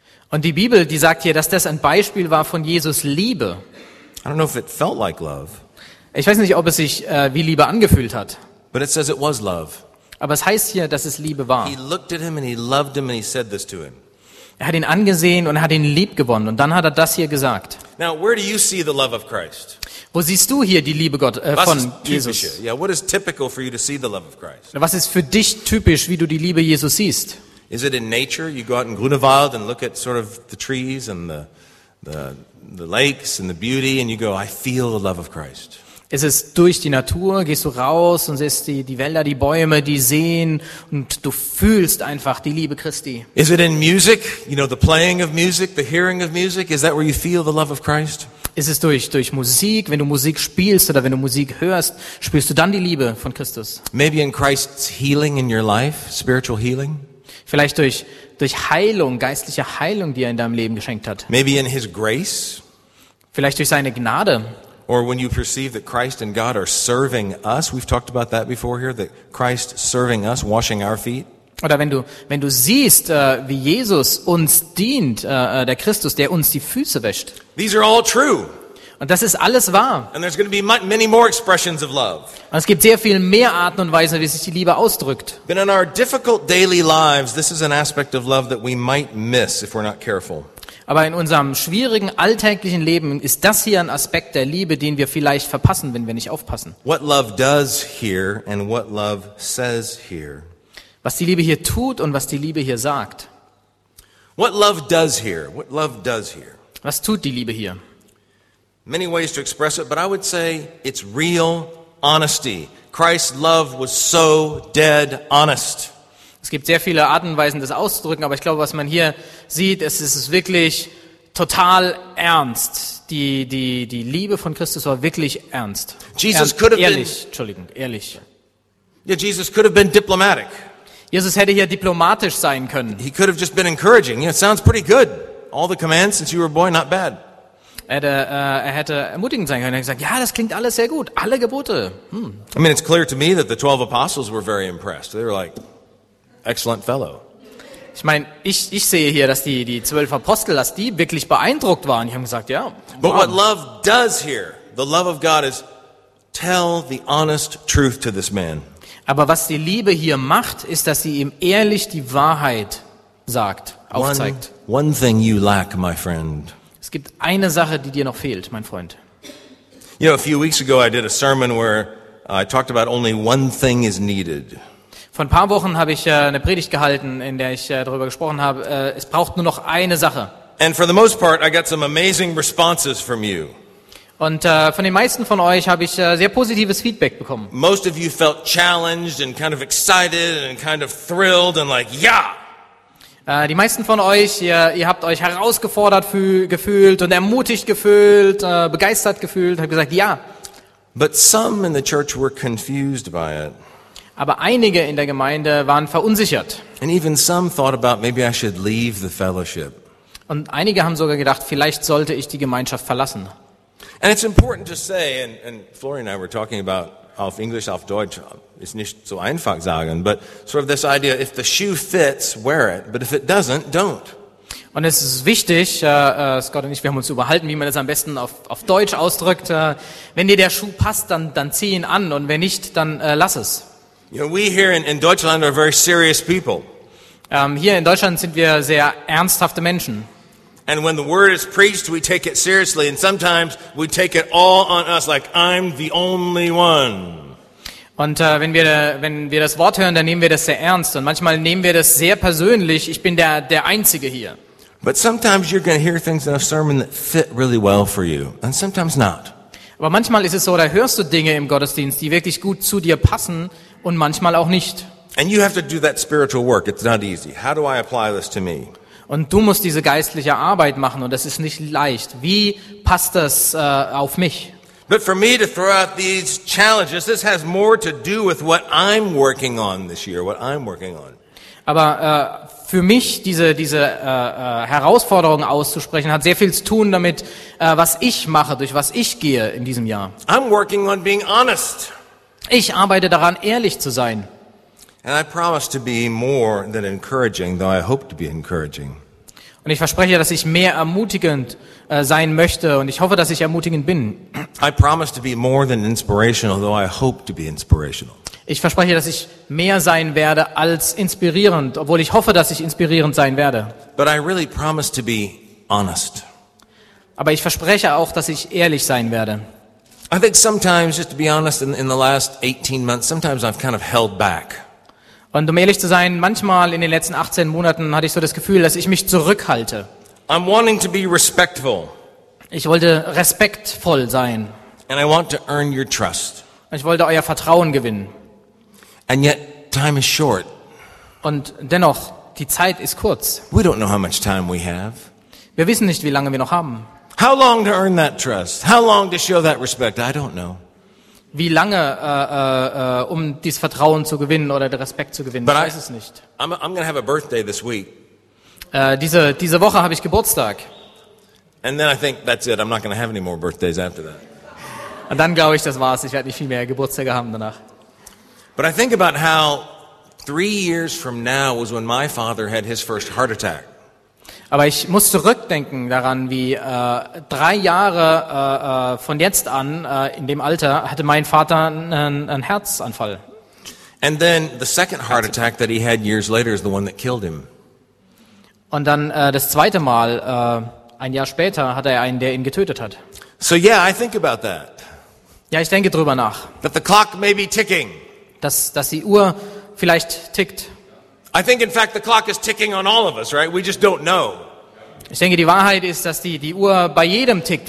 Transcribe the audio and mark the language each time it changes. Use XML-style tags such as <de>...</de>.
<de>Und die Bibel, die sagt hier, dass das ein Beispiel war von Jesus' Liebe.</de> <en>I don't know if it felt like love.</en> <de>Ich weiß nicht, ob es sich wie Liebe angefühlt hat.</de> <en>But it says it was love.</en> <de>Aber es heißt hier, dass es Liebe war.</de> <en>He looked at him and he loved him and he said this to him.</en> <de>Er hat ihn angesehen und er hat ihn lieb gewonnen und dann hat er das hier gesagt.</de> <en>Now, where do you see the love of Christ?</en> <de>Wo siehst du hier die Liebe von Jesus?</de> <en>Yeah, what is typical for you to see the love of Christ?</en> <de>Was ist für dich typisch, wie du die Liebe Jesus siehst?</de> <en>Is it in nature? You go out in Grunewald and look at sort of the trees and the lakes and the beauty and you go, I feel the love of Christ.</en> <de>Ist es durch die Natur? Gehst du raus und siehst die Wälder, die Bäume, die Seen und du fühlst einfach die Liebe Christi?</de> <en>Is it in music? You know, the playing of music, the hearing of music? Is that where you feel the love of Christ?</en> <de>Ist es durch Musik? Wenn du Musik spielst oder wenn du Musik hörst, spürst du dann die Liebe von Christus?</de> <en>Maybe in Christ's healing in your life, spiritual healing?</en> <de>Vielleicht durch Heilung, geistliche Heilung, die er in deinem Leben geschenkt hat.</de> <en>Maybe in his grace?</en> <de>Vielleicht durch seine Gnade.</de> <en>Or when you perceive that Christ and God are serving us, we've talked about that before here, that Christ serving us, washing our feet.</en> <de>Oder wenn du siehst, wie Jesus uns dient, der Christus, der uns die Füße wäscht.</de> <en>These are all true.</en> <de>Und das ist alles wahr.</de> <en>And there's going to be many more expressions of love.</en> <de>Und es gibt sehr viel mehr Arten und Weisen, wie sich die Liebe ausdrückt.</de> <en>But in our difficult daily lives, this is an aspect of love that we might miss if we're not careful.</en> <de>Aber in unserem schwierigen alltäglichen Leben ist das hier ein Aspekt der Liebe, den wir vielleicht verpassen, wenn wir nicht aufpassen.</de> <en>What love does here and what love says here.</en> <de>Was die Liebe hier tut und was die Liebe hier sagt.</de> <en>What love does here? What love does here?</en> <de>Was tut die Liebe hier?</de> <en>Many ways to express it, but I would say it's real honesty. Christ's love was so dead honest.</en> <de>Es gibt sehr viele Arten und Weisen, das auszudrücken, aber ich glaube, was man hier sieht, es ist wirklich total ernst. Die Liebe von Christus war wirklich ernst.</de> <en>Jesus could have been ehrlich. Yeah, Jesus could have been diplomatic.</en> <de>Jesus hätte hier diplomatisch sein können.</de> <en>He could have just been encouraging. Yeah, it sounds pretty good. All the commands since you were a boy, not bad.</en> <de>Er hätte ermutigend sein können. Er hätte gesagt, ja, das klingt alles sehr gut. Alle Gebote.</de> <en>I mean, it's clear to me that the 12 apostles were very impressed. They were like, excellent fellow.</en> <de>Ich meine, ich sehe hier, dass die 12 Apostel, dass die wirklich beeindruckt waren. Die haben gesagt, ja.</de> <en>But what love does here, the love of God is tell the honest truth to this man.</en> <de>Aber was die Liebe hier macht, ist, dass sie ihm ehrlich die Wahrheit sagt, aufzeigt.</de> <en>One thing you lack, my friend.</en> <de>Es gibt eine Sache, die dir noch fehlt, mein Freund.</de> <en>You know, a few weeks ago I did a sermon where I talked about only one thing is needed.</en> <de>Vor ein paar Wochen habe ich eine Predigt gehalten, in der ich darüber gesprochen habe, es braucht nur noch eine Sache.</de> <en>And for the most part, I got some amazing responses from you.</en> <de>Und von den meisten von euch habe ich sehr positives Feedback bekommen.</de> <en>Most of you felt challenged and kind of excited and kind of thrilled and like, yeah.</en> <de>Die meisten von euch, ihr habt euch herausgefordert gefühlt und ermutigt gefühlt, begeistert gefühlt, habt gesagt, ja.</de> <en>But some in the church were confused by it.</en> <de>Aber einige in der Gemeinde waren verunsichert.</de> <en>And even some thought about maybe I should leave the fellowship.</en> <de>Und einige haben sogar gedacht, vielleicht sollte ich die Gemeinschaft verlassen.</de> <en>And it's important to say, and Florian and I were talking about</en> <de>auf Englisch, auf Deutsch, ist nicht so einfach sagen,</de> <en>but sort of this idea, if the shoe fits, wear it, but if it doesn't, don't.</en> <de>Und es ist wichtig, Scott und ich, wir haben uns überhalten, wie man das am besten auf Deutsch ausdrückt, wenn dir der Schuh passt, dann zieh ihn an und wenn nicht, dann lass es.</de> <en>You know, we here in Deutschland are very serious people.</en> <de>Hier in Deutschland sind wir sehr ernsthafte Menschen.</de> <en>And when the word is preached, we take it seriously, and sometimes we take it all on us, like I'm the only one.</en> <de>Und wenn wir das Wort hören, dann nehmen wir das sehr ernst, und manchmal nehmen wir das sehr persönlich. Ich bin der Einzige hier.</de> <en>But sometimes you're going to hear things in a sermon that fit really well for you, and sometimes not.</en> <de>Aber manchmal ist es so, da hörst du Dinge im Gottesdienst, die wirklich gut zu dir passen und manchmal auch nicht.</de> <en>And you have to do that spiritual work. It's not easy. How do I apply this to me?</en> <de>Und du musst diese geistliche Arbeit machen und das ist nicht leicht. Wie passt das auf mich?</de> <en>But for me to throw out these challenges, this has more to do with what I'm working on this year, what I'm working on.</en> <de>Aber für mich diese Herausforderung auszusprechen hat sehr viel zu tun damit, was ich mache, durch was ich gehe in diesem Jahr.</de> <en>I'm working on being honest.</en> <de>Ich arbeite daran, ehrlich zu sein.</de> <en>And I promise to be more than encouraging, though I hope to be encouraging.</en> <de>Und ich verspreche, dass ich mehr ermutigend sein möchte und ich hoffe, dass ich ermutigend bin.</de> <en>I promise to be more than inspirational, though I hope to be inspirational.</en> <de>Ich verspreche, dass ich mehr sein werde als inspirierend, obwohl ich hoffe, dass ich inspirierend sein werde.</de> <en>But I really promise to be honest.</en> <de>Aber ich verspreche auch, dass ich ehrlich sein werde.</de> <en>I think sometimes, just to be honest, in the last 18 months, sometimes I've kind of held back.</en> <de>Und um ehrlich zu sein, manchmal in den letzten 18 Monaten hatte ich so das Gefühl, dass ich mich zurückhalte.</de> <en>I'm wanting to be respectful.</en> <de>Ich wollte respektvoll sein.</de> <en>And I want to earn your trust.</en> <de>Ich wollte euer Vertrauen gewinnen.</de> <en>And yet, time is short.</en> <de>Und dennoch, die Zeit ist kurz.</de> <en>We don't know how much time we have.</en> <de>Wir wissen nicht, wie lange wir noch haben.</de> <en>How long to earn that trust? How long to show that respect? I don't know.</en> <de>Wie lange, um dieses Vertrauen zu gewinnen oder den Respekt zu gewinnen? Ich weiß es nicht.</de> <en>I'm gonna have a birthday this week.</en> <de>Diese Woche habe ich Geburtstag.</de> <en>And then I think that's it. I'm not gonna have any more birthdays after that.</en> <de>Und dann glaube ich, das war's. Ich werde nicht viel mehr Geburtstage haben danach.</de> <en>But I think about how 3 years from now was when my father had his first heart attack.</en> <de>Aber ich muss zurückdenken daran, wie 3 Jahre von jetzt an, in dem Alter, hatte mein Vater einen Herzanfall.</de> <en>And then the second heart attack that he had years later is the one that killed him.</en> <de>Und dann das zweite Mal, ein Jahr später, hatte er einen, der ihn getötet hat.</de> <en>So yeah, I think about that.</en> <de>Ja, ich denke drüber nach.</de> <en>That the clock may be ticking.</en> <de>Dass die Uhr vielleicht tickt.</de> <en>I think in fact the clock is ticking on all of us, right? We just don't know.</en> <de>Ich denke, die Wahrheit ist, dass die Uhr bei jedem tickt.</de>